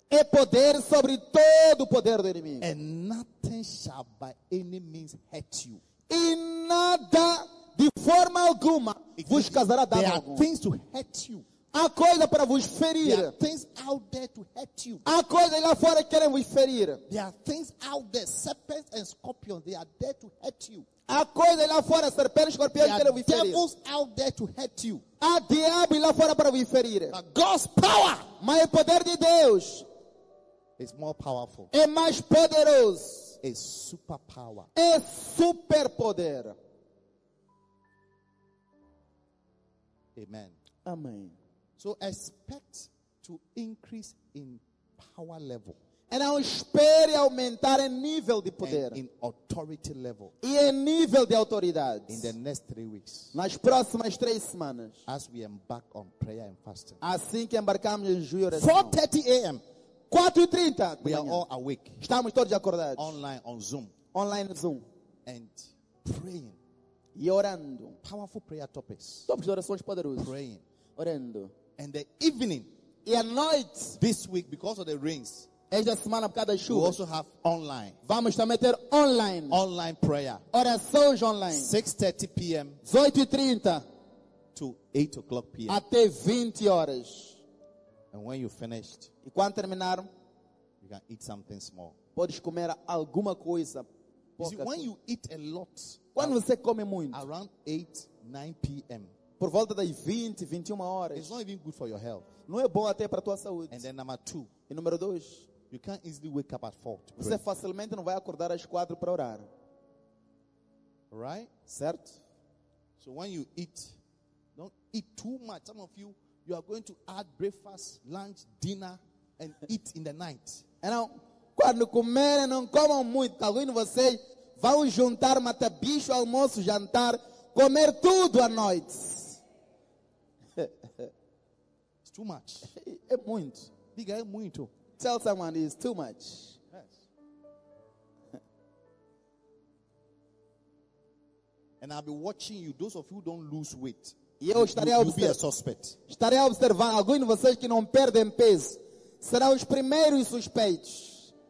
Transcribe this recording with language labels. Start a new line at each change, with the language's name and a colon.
Portuguese: É poder sobre todo o poder do inimigo.
English: And nothing shall by any means hurt you.
Portuguese: E nada de forma alguma vos causará dano.
English: There are things to hurt you.
Portuguese: Há coisa para vos ferir.
English: There are things out there to hurt you.
Portuguese: Há coisa lá fora que querem vos ferir.
English: There are things out there, serpents and scorpions, they are there to hurt you.
Portuguese: Há coisa lá fora, serpentes, escorpiões que querem vos ferir.
English: There are devils out there to hurt you.
Portuguese: Há diabo lá fora para vos ferir.
English: But God's power,
Portuguese: mas o poder de Deus,
English: is more powerful.
Portuguese: É mais poderoso.
English: A superpower.
Portuguese: É super poder.
English: Amen.
Portuguese: Amém.
English: So expect to increase in power level.
Portuguese: Então espere aumentar em nível de poder.
English: And in authority level.
Portuguese: E em nível de autoridade.
English: In the next 3 weeks.
Portuguese: Nas próximas 3 semanas.
English: As we embark on prayer and fasting.
Portuguese: Assim que embarcamos em jejum e oração.
English: 4:30 a.m. 4:30. We are all awake.
Portuguese: Estamos todos acordados.
English: Online on Zoom.
Portuguese: Online Zoom.
English: And praying.
Portuguese: E orando.
English: Powerful prayer topics.
Portuguese: Tópicos de orações poderosos.
English: Praying.
Portuguese: Orando.
English: And the evening.
Portuguese: E à noite.
English: This week because of the rains.
Portuguese: Esta semana por causa das chuvas.
English: We also have online.
Portuguese: Vamos também ter online.
English: Online prayer.
Portuguese: Orações online.
English: 6:30 p.m. 8:30 to 8 o'clock p.m.
Portuguese: Até 20 horas.
English: And when you finished,
Portuguese: e quando terminar,
English: you can eat something small.
Portuguese: Podes comer alguma coisa.
English: You see, when you eat a lot,
Portuguese: quando você come muito,
English: around 8, 9 p.m.
Portuguese: por volta das 20, 21 horas,
English: it's not even good for your health.
Portuguese: Não é bom até para tua saúde.
English: And then number two,
Portuguese: e número dois,
English: you can't easily wake up at 4.
Portuguese: Você facilmente não vai acordar às 4 para orar.
English: Right?
Portuguese: Certo?
English: So when you eat, don't eat too much. Some of you, you are going to add breakfast, lunch, dinner, and eat in the night.
Portuguese: Então, quando comerem, não comam muito. Alguns de vocês vão juntar, matar bicho, almoço, jantar, comer tudo à noite.
English: It's too much.
Portuguese: É muito. Diga, é muito.
English: Tell someone it's too much. Yes. And I'll be watching you, those of you who don't lose weight.
Portuguese: E eu estarei a observar. Alguns de vocês que não perdem peso serão os primeiros suspeitos.